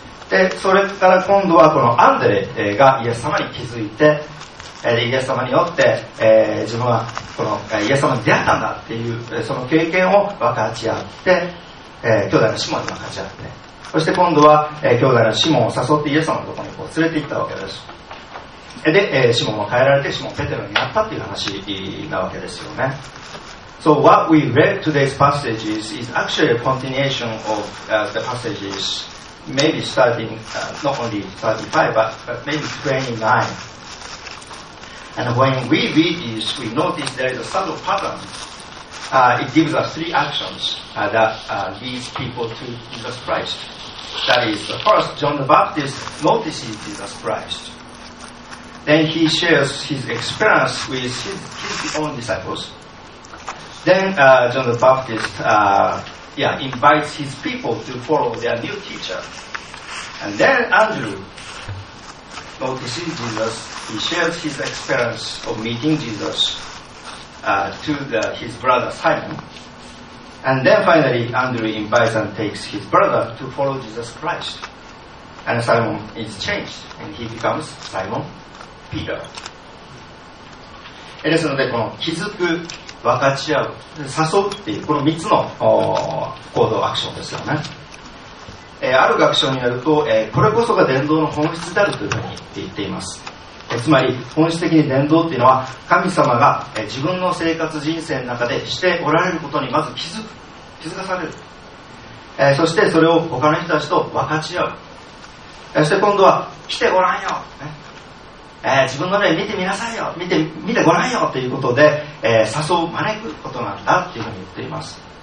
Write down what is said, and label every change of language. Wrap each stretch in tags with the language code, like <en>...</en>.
<ja>でそれから今度はこのアンデレがイエス様に気づいて、イエス様によって自分はこのイエス様に出会ったんだっていうその経験を分かち合って、兄弟のシモンに分かち合って、そして今度は兄弟のシモンを誘ってイエス様のところにこう連れて行ったわけです。で、シモンは変えられてシモンペテロになったという話なわけですよね。</ja> <en>So what we read today's passages is actually a continuation of the passages maybe starting not only 35 but maybe 29. And when we read this, we notice there is a subtle pattern. It gives us three actions that leads people to Jesus Christ. That is, the first, John the Baptist notices Jesus Christ. Then he shares his experience with his own disciples. Then John the Baptist invites his people to follow their new teacher. And then Andrew notices Jesus. He shares his experience of meeting Jesus to his brother Simon. And then finally, Andrew invites and takes his brother to follow Jesus Christ. And Simon is changed and he becomes Simon Peter.</en> <ja>ですので、この気づく、分かち合う、誘うっていうこの3つの行動アクションですよね。ある学者によると、これこそが伝道の本質であるというふうに言っています。つまり本質的に伝道っていうのは、神様が自分の生活人生の中でしておられることにまず気づかされる、そしてそれを他の人たちと分かち合う、そして今度は来てごらんよ、自分の目見てみなさいよ、見てごらんよということで、誘う、招くことなんだっていうふうに言っています。</ja>